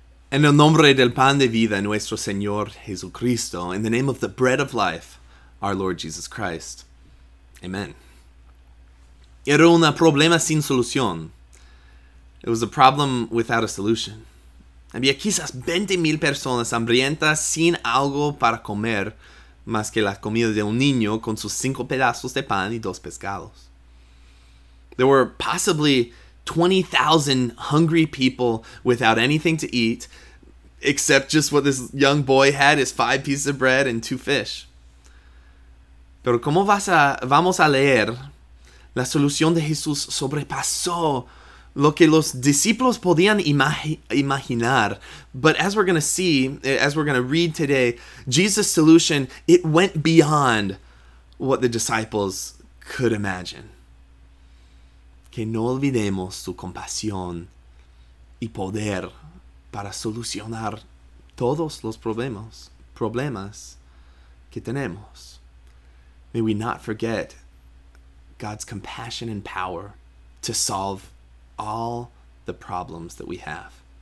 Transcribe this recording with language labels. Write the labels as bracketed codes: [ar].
[es] En el nombre del pan de vida, nuestro Señor Jesucristo. [en] In the name of the bread of life, our Lord Jesus Christ. [es] Amen. Era un problema sin solución. [en] It was a problem without a solution. [es] Había quizás 20,000 personas hambrientas sin algo para comer más que la comida de un niño con sus 5 pedazos de pan y 2 pescados. [en] There were possibly 20,000 hungry people without anything to eat, except just what this young boy had, his 5 pieces of bread and 2 fish. [es] Pero como vamos a leer, la solución de Jesús sobrepasó lo que los discípulos podían imaginar. [en] But as we're going to see, as we're going to read today, Jesus' solution, it went beyond what the disciples could imagine. [es] Que no olvidemos su compasión y poder para solucionar todos los problemas que tenemos. [en] May we not forget God's compassion and power to solve all the problems that we have.